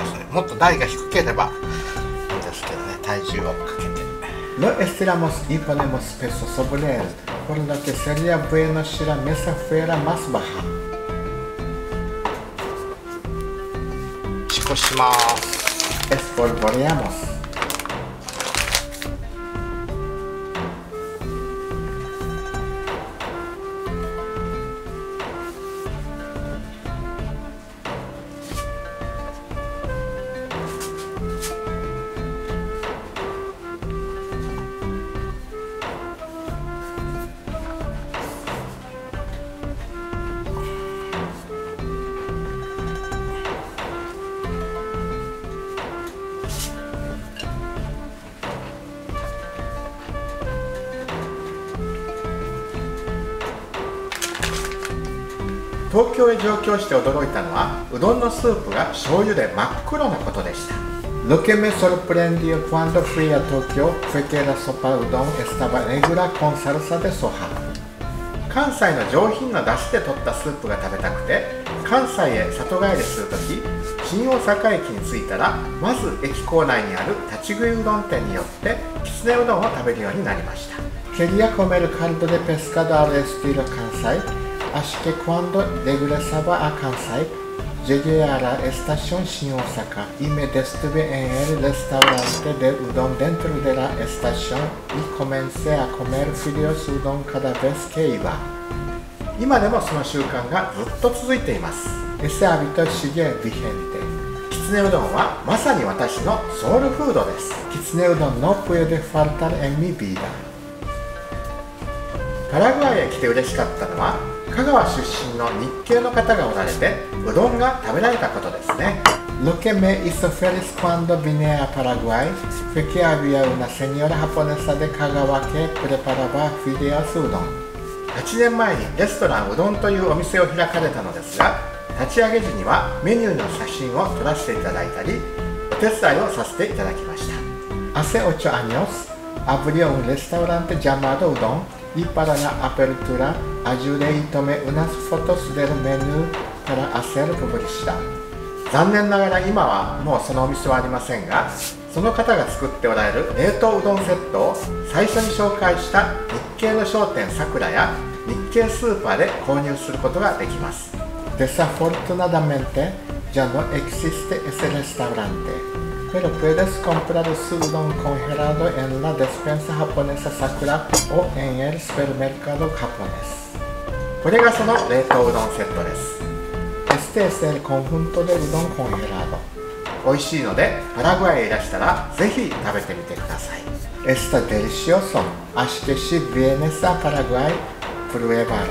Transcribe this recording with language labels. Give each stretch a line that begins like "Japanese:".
Japanese: もっと台が低ければいいんですけどね、体重をかけて。
Spanish: Lo estiramos y ponemos peso sobre él, por lo que sería bueno si la mesa fuera más baja.
Japanese: しこします。
Spanish: Espolvoreamos.
Japanese: 東京へ上京して驚いたのは、うどんのスープが醤油で真っ黒なことでした。
Spanish: Lo que me sorprendió cuando fui a Tokyo fue que la sopa udon estaba negra con salsa de soja.
Japanese: 関西の上品な出汁で取ったスープが食べたくて、関西へ里帰りするとき、新大阪駅に着いたら、まず駅構内にある立ち食いうどん店によって、きつねうどんを食べるようになりました。
Spanish: Quería comer caldo de pescado al estilo Kansai. Así que cuando regresaba a Kansai, llegué a la estación Shin Osaka y me detuve en el restaurante de udon dentro de la estación y comencé a comer fideos udon cada vez que iba.
Japanese: 今でもその習慣がずっと続いています。
Spanish: Ese hábito sigue vigente.
Japanese: きつねうどんはまさに私のソウルフードです。
Spanish: きつねうどん no puede faltar en mi vida.
Japanese: パラグアイへ来て嬉しかったのは、香川出身の日系の方がおられて、うどんが食べられたことですね。
Spanish: Lo que me hizo feliz cuando vine a Paraguay fue que había una señora japonesa de Kagawa que preparaba fideos udon.
Japanese: 8年前にレストランうどんというお店を開かれたのですが、立ち上げ時にはメニューの写真を撮らせていただいたり、お手伝いをさせていただきました。
Spanish: Hace 8 años, abrió un restaurante llamado udon. Y para la apertura, ayudé y tomé unas fotos del menú para hacer publicidad.
Japanese: 残念ながら今はもうそのお店はありませんが、その方が作っておられる冷凍うどんセットを最初に紹介した日系の商店さくらや日系スーパーで購入することができます。
Spanish: Desafortunadamente, ya no existe ese restaurante. Pero puedes comprar su udon congelado en la despensa japonesa Sakura o en el supermercado japonés.
Japanese: これがその冷凍うどんセットです。
Spanish: Este es el conjunto de udon congelado.
Japanese: 美味しいので、パラグアイへいらしたら、ぜひ食べてみてください。
Spanish: Está delicioso. Así que si vienes a Paraguay, pruébalo.